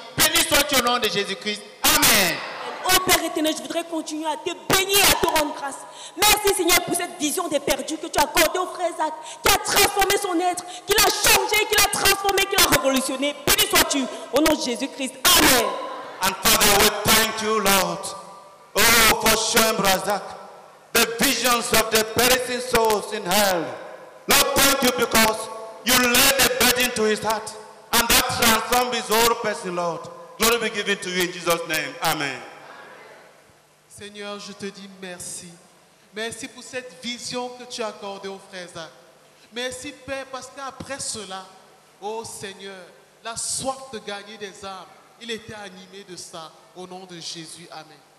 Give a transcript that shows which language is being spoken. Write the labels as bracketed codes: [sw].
[fr] Béni sois-tu au nom de Jésus-Christ. Amen. Oh Père éternel, je voudrais continuer à te bénir et à te rendre grâce. Merci Seigneur pour cette vision des perdus que tu as accordée au frère Zach, qui a transformé son être, qui l'a changé, qui l'a transformé, qui l'a révolutionné. Béni sois-tu au nom de Jésus-Christ. Amen. [en] And Father, we thank you, Lord. Oh, for showing Brother Zach the visions of the perishing souls in hell. Lord, thank you because you laid a burden to his heart and that transformed his whole person, Lord. Glory be given to you in Jesus' name. Amen. [fr] Seigneur, je te dis merci. Merci pour cette vision que tu as accordée au frère Zach. Merci, Père, parce qu'après cela, oh Seigneur, la soif de gagner des âmes, il était animé de ça. Au nom de Jésus, amen.